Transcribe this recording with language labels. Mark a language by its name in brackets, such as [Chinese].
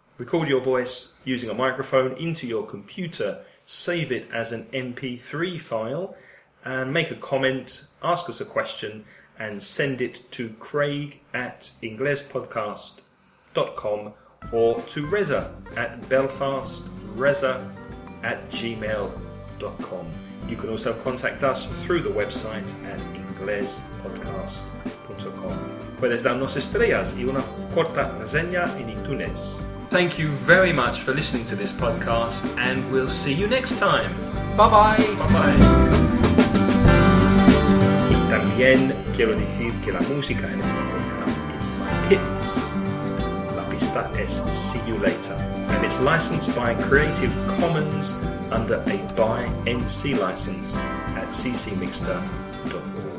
[English] Record your voice using a microphone into your computer, save it as an MP3 file, and make a comment, ask us a question, and send it to craig@inglespodcast.com or to reza@belfastreza@gmail.com. You can also contact us through the website at inglespodcast.com. [Spanish] Puedes darnos estrellas y una corta reseña en iTunes. [English] Thank you very much for listening to this podcast, and we'll see you next time. Bye-bye. [Spanish] Y también quiero decir que la música en este podcast es My Pits. La pista es See You Later. [English] And it's licensed by Creative Commons under a BY-NC license at ccmixter.com.